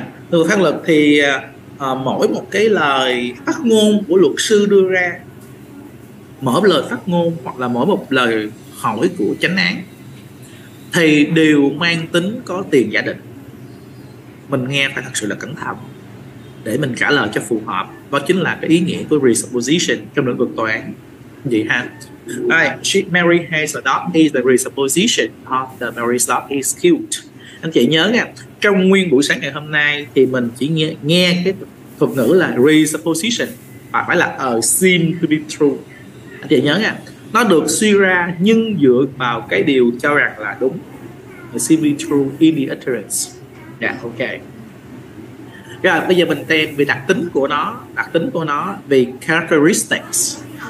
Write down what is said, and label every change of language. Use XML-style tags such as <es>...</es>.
<vi>Từ pháp luật thì mỗi một cái lời phát ngôn của luật sư đưa ra, mỗi lời phát ngôn hoặc là mỗi một lời hỏi của chánh án thì đều mang tính có tiền giả định. Mình nghe phải thật sự là cẩn thận để mình trả lời cho phù hợp. Đó chính là cái ý nghĩa của presupposition trong lĩnh vực tòa án. Vậy ha. Right.</vi> <en>Mary has a dog is the presupposition of the Mary's dog is cute.</en> <vi>Anh chị nhớ nha, trong nguyên buổi sáng ngày hôm nay thì mình chỉ nghe cái thuật ngữ là presupposition, và phải là</vi> <en>assume to be true.</en> <vi>Anh chị nhớ nha, nó được suy ra nhưng dựa vào cái điều cho rằng là đúng.</vi> <en>Assume to be true in the utterance.</en> <vi>Dạ, yeah, ok. Rồi bây giờ mình tìm về đặc tính của nó, về characteristics.</vi>